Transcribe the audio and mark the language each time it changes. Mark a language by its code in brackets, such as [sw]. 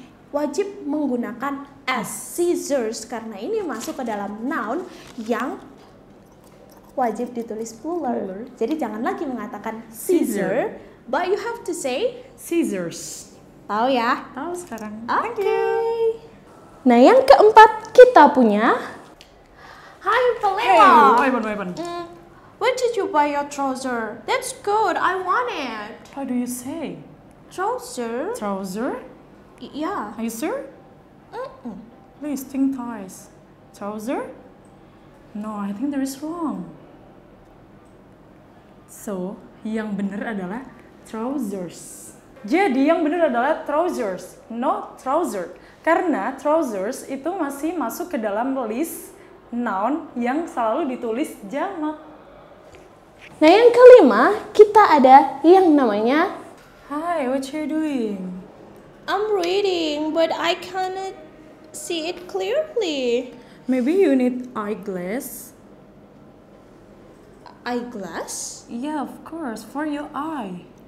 [id] Wajib menggunakan S, scissors, karena ini masuk ke dalam noun yang wajib ditulis plural. Jadi jangan lagi mengatakan scissor, [en] but you have to say scissors. [id] Tahu ya? Tahu sekarang. [en] Okay. Thank you. [id] Nah, yang keempat kita punya. [en] Hi, Palewa. Hey, Ivan. When did you buy your trouser? That's good, I want it. How do you say? Trouser? Trouser? Yeah. Are you sure? Please, think twice. Trouser? No, I think there is wrong. [id] So, yang benar adalah trousers. Jadi, yang benar adalah trousers, [en] not trouser. [id] Karena trousers itu masih masuk ke dalam list noun yang selalu ditulis jamak. Nah, yang kelima, kita ada yang namanya... [en] Hi, what you doing? I'm reading, but I cannot see it clearly. Maybe you need eyeglass. Eyeglass? Yeah, of course, for your eye.